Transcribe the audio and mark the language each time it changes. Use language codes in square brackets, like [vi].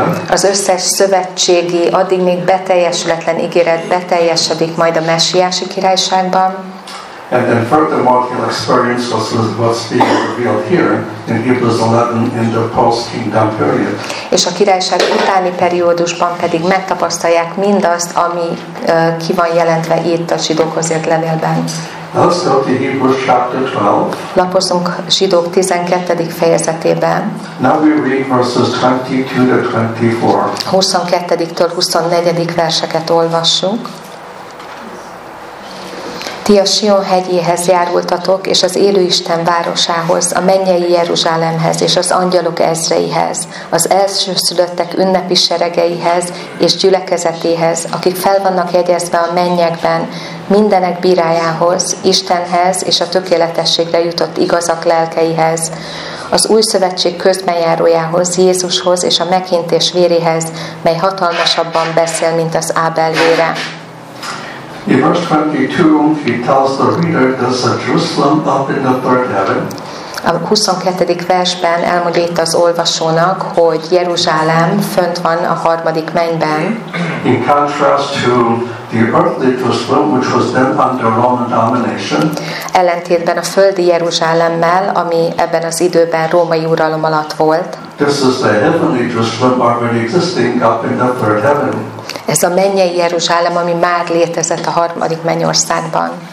[hu] Az összes szövetségi, addig még beteljesületlen ígéret beteljesedik majd a messiási királyságban. [en] And then furthermore, he'll experience what's being revealed here in Hebrews 11 in the post-kingdom period. [hu] És a királyság utáni periódusban pedig megtapasztalják mindazt, ami ki van jelentve itt a zsidókhoz írt levélben. [en] Let's go to Hebrews chapter 12. [hu] Lapozunk Zsidók 12. fejezetében. [en] Now we read verses 22 to 24. [hu] 22-től 24. verseket olvassunk. Ti a Sion hegyéhez járultatok, és az élő Isten városához, a mennyei Jeruzsálemhez, és az angyalok ezreihez, az elsőszülöttek ünnepi seregeihez, és gyülekezetéhez, akik fel vannak jegyezve a mennyekben, mindenek bírájához, Istenhez, és a tökéletességre jutott igazak lelkeihez, az új szövetség közbenjárójához, Jézushoz, és a meghintés véréhez, mely hatalmasabban beszél, mint az Ábel vére. [en] In verse 22, he tells the reader there's a Jerusalem up in the third heaven. [hu] A 22. versben elmondja itt az olvasónak, hogy Jeruzsálem fönt van a harmadik mennyben. [en] In contrast to the earthly Jerusalem, which was then under Roman domination. [hu] Ellentétben a földi Jeruzsálemmel, ami ebben az időben római uralom alatt volt. [en] This is the heavenly Jerusalem already existing up in the third heaven. [hu] Ez a mennyei Jeruzsálem, ami már létezett a harmadik mennyországban.